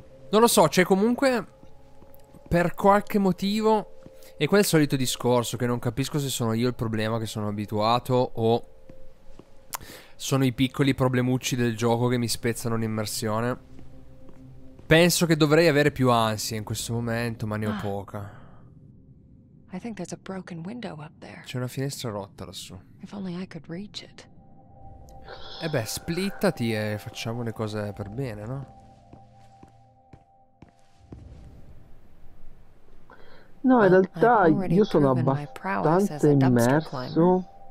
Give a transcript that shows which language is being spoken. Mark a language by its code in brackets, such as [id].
[it] Non lo so, c'è comunque, per qualche motivo, e quel solito discorso che non capisco se sono io il problema, che sono abituato, o sono i piccoli problemucci del gioco che mi spezzano l'immersione. Penso che dovrei avere più ansia in questo momento, ma ne ho poca. [en] I think there's a broken window up there. [it] C'è una finestra rotta lassù. [en] If only I could reach it. [it] E beh, splittati e facciamo le cose per bene, no? No, in realtà io sono abbastanza immerso.